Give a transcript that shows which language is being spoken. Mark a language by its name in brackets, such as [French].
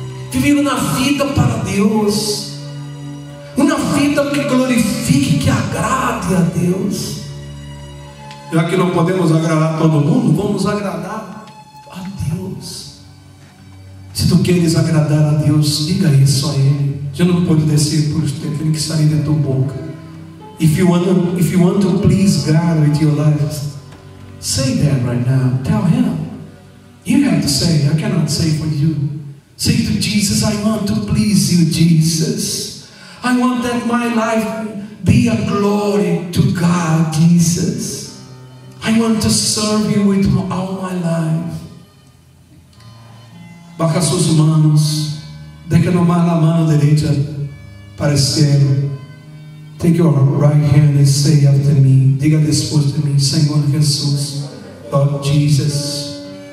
[Portuguese] Viver na vida para Deus, uma vida que glorifique, que agrade a Deus. Já que não podemos agradar todo mundo, vamos agradar a Deus. Se tu queres agradar a Deus, diga isso a Ele. Eu não posso dizer por isso, tem que sair da tua boca. [English] If you want to please God with your life, say that right now. Tell Him. You have to say, I cannot say for you. Say to Jesus, I want to please you, Jesus. I want that my life be a glory to God, Jesus. I want to serve you with all my life. [Portuguese] Baja suas mãos. Deixa nomás a mão direita para o céu. [English] Take your right hand and say after me. [Portuguese] Diga depois de mim, Senhor Jesus, [English] Lord Jesus.